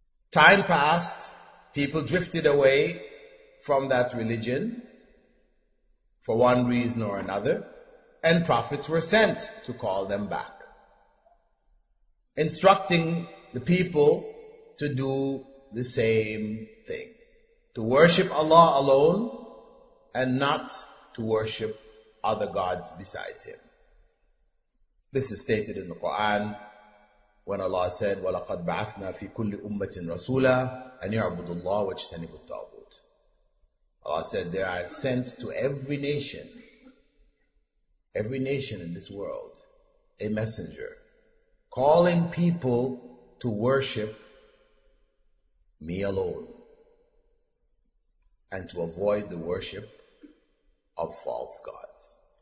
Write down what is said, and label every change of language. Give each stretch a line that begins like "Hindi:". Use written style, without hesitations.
English: Time passed, people drifted away from that religion for one reason or another, and prophets were sent to call them back, instructing the people to do the same thing, to worship Allah alone and not to worship other gods besides him. This is stated in the Quran when Allah said,
Arabic: وَلَقَدْ بَعَثْنَا فِي كُلِّ أُمَّةٍ رَسُولًا أَنْ يَعْبُدُ اللَّهُ وَاجْتَنِبُ الطَّاغُوتِ.
English: Allah said there, I have sent to every nation in this world, a messenger calling people to worship me alone and to avoid the worship of false gods.